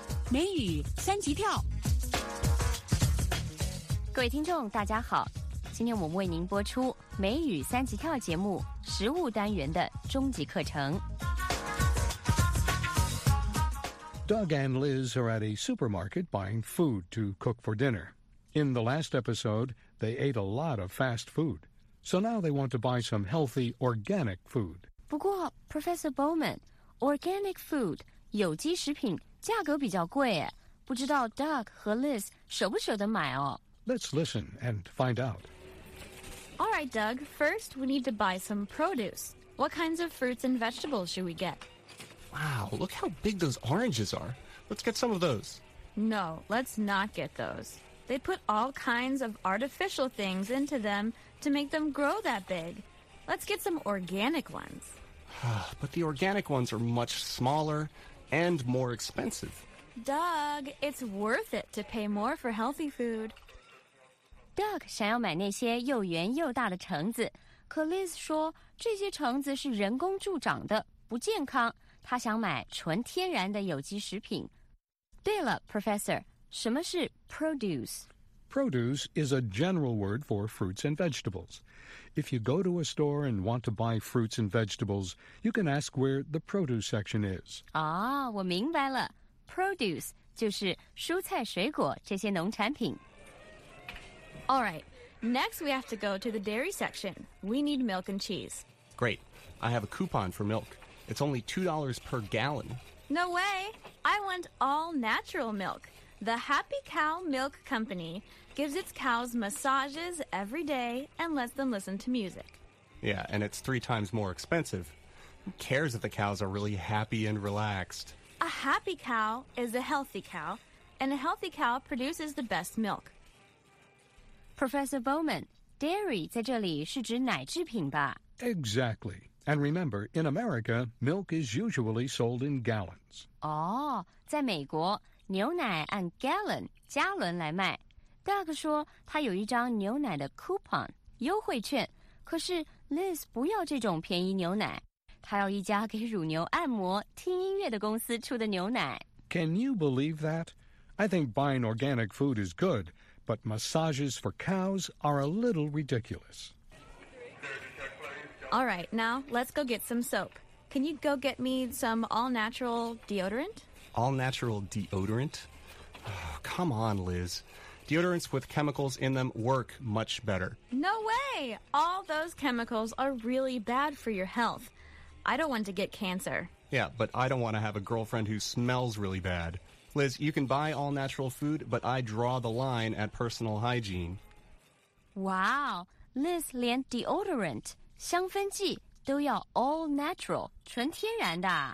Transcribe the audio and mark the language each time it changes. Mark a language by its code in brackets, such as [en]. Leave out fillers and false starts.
[zh] 美语三级跳。各位听众大家好，今天我们为您播出美语三级跳节目实务单元的终极课程。 [en] Doug and Liz are at a supermarket buying food to cook for dinner. In the last episode, they ate a lot of fast food. So now they want to buy some healthy organic food. [zh] 不过 Professor Bowman, organic food, 有机食品价格比较贵耶。不知道 Doug 和 Liz 舍不舍得买哦。 [en] Let's listen and find out. All right, Doug, first we need to buy some produce. What kinds of fruits and vegetables should we get? Wow, look how big those oranges are. Let's get some of those. No, let's not get those. They put all kinds of artificial things into them to make them grow that big. Let's get some organic ones. But the organic ones are much smaller and more expensive. Doug, it's worth it to pay more for healthy food. [zh] Doug 想要买那些又圆又大的橙子，可 Liz 说这些橙子是人工助长的，不健康。他想买纯天然的有机食品。对了 ,Professor, 什么是 produce? [en] Produce is a general word for fruits and vegetables. If you go to a store and want to buy fruits and vegetables, you can ask where the produce section is. [zh] 哦，我明白了。 Produce 就是蔬菜水果这些农产品。 [en] All right, next we have to go to the dairy section. We need milk and cheese. Great, I have a coupon for milk. It's only $2 per gallon. No way! I want all natural milk. The Happy Cow Milk Company gives its cows massages every day and lets them listen to music. Yeah, and it's 3 times more expensive. Who cares if the cows are really happy and relaxed? A happy cow is a healthy cow, and a healthy cow produces the best milk. [zh] Professor Bowman, dairy 在这里是指奶制品吧? [en] Exactly. And remember, in America, milk is usually sold in gallons. [zh] Oh, 在美国，牛奶按 gallon, 加仑来卖。 Doug 说他有一张牛奶的 coupon, 优惠券。可是 Liz 不要这种便宜牛奶。他要一家给乳牛按摩、听音乐的公司出的牛奶。 [en] Can you believe that? I think buying organic food is good, but massages for cows are a little ridiculous. All right, now let's go get some soap. Can you go get me some all-natural deodorant? All-natural deodorant? Oh, come on, Liz. Deodorants with chemicals in them work much better. No way! All those chemicals are really bad for your health. I don't want to get cancer. Yeah, but I don't want to have a girlfriend who smells really bad. Liz, you can buy all-natural food, but I draw the line at personal hygiene. [zh] Wow, Liz 连 deodorant... 香氛剂都要 all natural, 纯天然的。